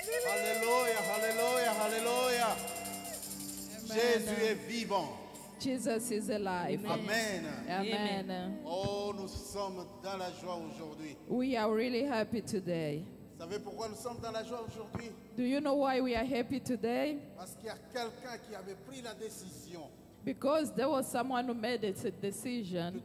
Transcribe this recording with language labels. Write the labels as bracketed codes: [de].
[fr] Alléluia, alléluia, alléluia. Amen. Jésus est vivant. [en] Jesus is alive. Amen. Amen. [fr] Oh, nous sommes dans la joie aujourd'hui. [en] We are really happy today. [fr] Vous savez pourquoi nous sommes dans la joie aujourd'hui? [en] Do you know why we are happy today? [fr] Parce qu'il y a quelqu'un qui avait pris la décision. [en] Because there was someone who made a decision